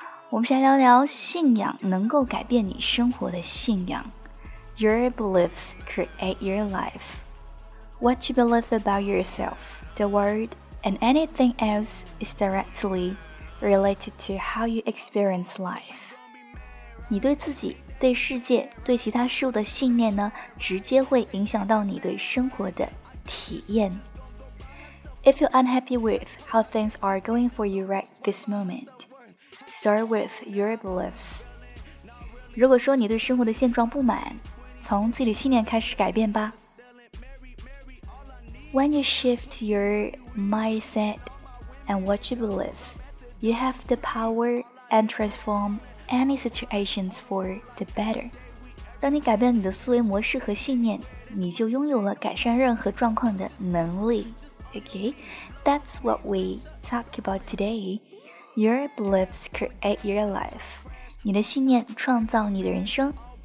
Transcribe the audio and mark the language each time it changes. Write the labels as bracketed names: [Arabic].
[Chinese] 我们先聊聊信仰能够改变你生活的信仰。 [English] Your beliefs create your life. What you believe about yourself, the world, and anything else is directly related to how you experience life. [Chinese] 你对自己对世界对其他事物的信念呢，直接会影响到你对生活的体验。 [English] If you're unhappy with how things are going for you right this moment, start with your beliefs. [Chinese] 如果说你对生活的现状不满，从自己的信念开始改变吧。 [English] When you shift your mindset and what you believe, you have the power and transformany situations for the better. [Chinese] 当你改变你的思维模式和信念，你就拥有了改善任何状况的能力。 [English] Okay, that's what we talk about today. Your beliefs create your life. [Chinese] 你的信念创造你的人生。